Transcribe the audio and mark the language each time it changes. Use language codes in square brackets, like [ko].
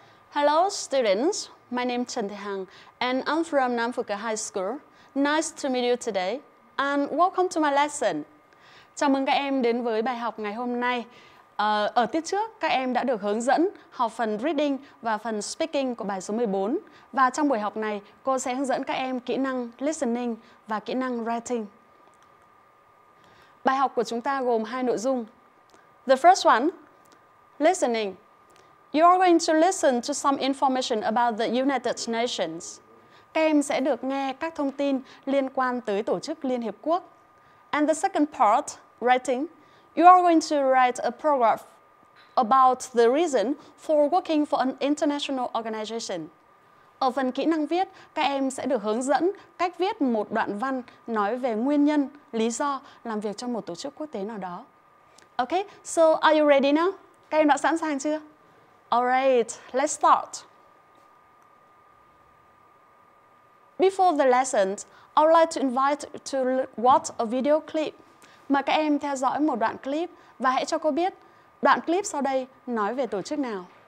[en] Hello students, my name is Trần Thị Hằng and I'm from Nam Phục High School. Nice to meet you today and welcome to my lesson. [vi] Chào mừng các em đến với bài học ngày hôm nay. Ở tiết trước, các em đã được hướng dẫn học phần reading và phần speaking của bài số 14. Và trong buổi học này, cô sẽ hướng dẫn các em kỹ năng listening và kỹ năng writing. Bài học của chúng ta gồm hai nội dung. [en] The first one, listening. You are going to listen to some information about the United Nations. [vi] Các em sẽ được nghe các thông tin liên quan tới Tổ chức Liên Hiệp Quốc. [en] And the second part, writing. You are going to write a paragraph about the reason for working for an international organization. [vi] Ở phần kỹ năng viết, các em sẽ được hướng dẫn cách viết một đoạn văn nói về nguyên nhân, lý do làm việc trong một tổ chức quốc tế nào đó. [en] Okay, so are you ready now? [vi] Các em đã sẵn sàng chưa? [en] All right, let's start. Before the lesson, I would like to invite you to watch a video clip. [vi] Mời các em theo dõi một đoạn clip và hãy cho cô biết đoạn clip sau đây nói về tổ chức nào.